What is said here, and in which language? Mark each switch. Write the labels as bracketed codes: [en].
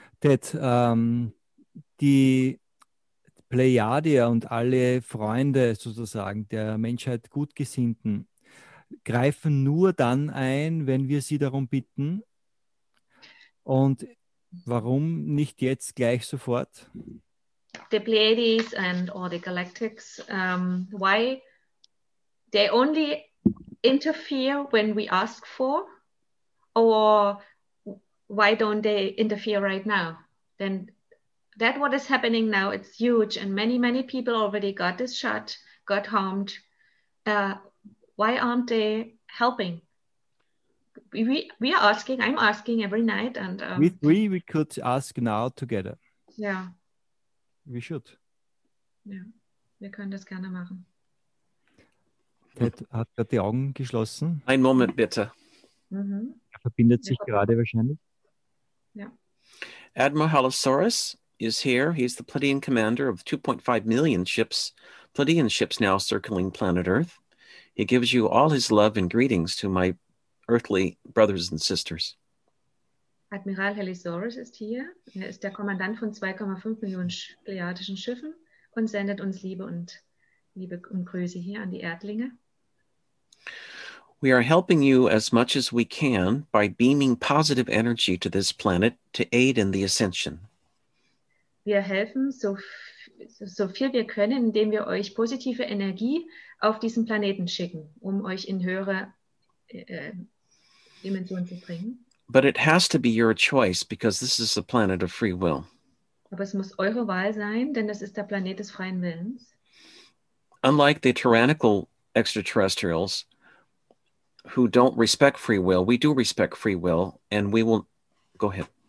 [de] Ted, die Plejadier und alle Freunde sozusagen der Menschheit Gutgesinnten greifen nur dann ein, wenn wir sie darum bitten. Und warum nicht jetzt gleich sofort? [en] The Pleiades and all the Galactics, why they only interfere when we ask for, or why don't they interfere right now? Then that what is happening now, it's huge, and many, many people already got this shot, got harmed. Why aren't they helping? We are asking, I'm asking every night. And we could ask now together. Yeah. We should. [de] Ja, wir können das gerne machen. Ted hat gerade die Augen geschlossen. Ein Moment bitte. Mhm. Er verbindet sich gerade wahrscheinlich. Ja. [en] Admiral Halosaurus is here. He's the Pleiadian commander of 2.5 million ships, Pleiadian ships now circling planet Earth. He gives you all his love and greetings to my earthly brothers and sisters. [de] Admiral Halosaurus ist hier. Er ist der Kommandant von 2,5 Millionen pleiadischen Schiffen und sendet uns Liebe und Grüße hier an die Erdlinge. [en] We are helping you as much as we can by beaming positive energy to this planet to aid in the ascension. [de] Wir helfen so viel wir können, indem wir euch positive Energie auf diesen Planeten schicken, um euch in höhere Dimensionen zu bringen. [en] But it has to be your choice because this is the planet of free will. [de] Aber es muss eure Wahl sein, denn das ist der Planet des freien Willens. [en] Unlike the tyrannical extraterrestrials who don't respect free will, we do respect free will and we will go ahead.